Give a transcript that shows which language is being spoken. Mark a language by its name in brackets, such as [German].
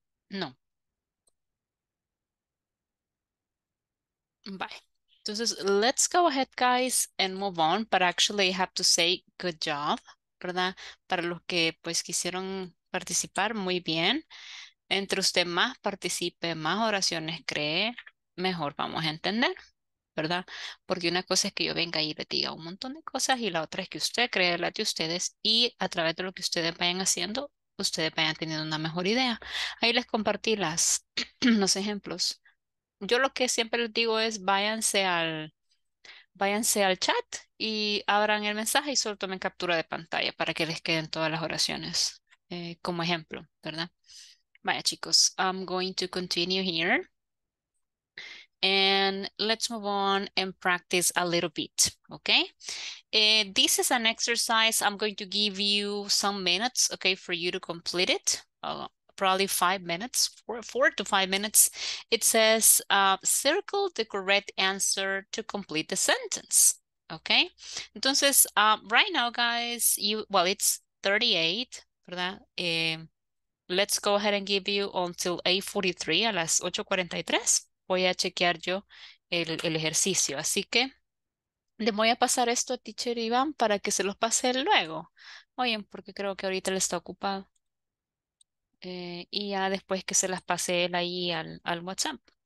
[English] No. Bye. Entonces, let's go ahead, guys, and move on. But actually, I have to say, good job, ¿verdad? [Spanish] Para los que, pues, quisieron participar, muy bien. Entre usted más participe, más oraciones cree, mejor vamos a entender, ¿verdad? Porque una cosa es que yo venga y le diga un montón de cosas, y la otra es que usted cree la de ustedes, y a través de lo que ustedes vayan haciendo, ustedes vayan teniendo una mejor idea. Ahí les compartí los ejemplos. Yo lo que siempre les digo es váyanse al chat y abran el mensaje y solo tomen captura de pantalla para que les queden todas las oraciones como ejemplo, ¿verdad? Vaya, chicos, [English] I'm going to continue here. And let's move on and practice a little bit, okay? This is an exercise. I'm going to give you some minutes, okay, for you to complete it. Probably 5 minutes, four to five minutes. It says, circle the correct answer to complete the sentence. Okay. Entonces, right now, guys, it's 38, ¿verdad? Let's go ahead and give you until 8:43, [Spanish] a las 8:43. Voy a chequear yo el ejercicio. Así que le voy a pasar esto a teacher Iván para que se los pase luego. Oye, porque creo que ahorita le está ocupado. Y ya después que se las pase él ahí al WhatsApp.